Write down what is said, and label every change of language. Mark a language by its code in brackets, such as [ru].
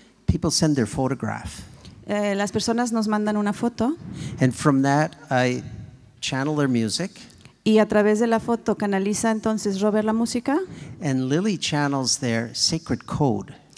[en] People send their photograph. [es] Las personas nos mandan una foto. [en] And from that I channel their music. [es] Y a través de la foto canaliza entonces Robert la música. [en] And Lily channels their sacred code.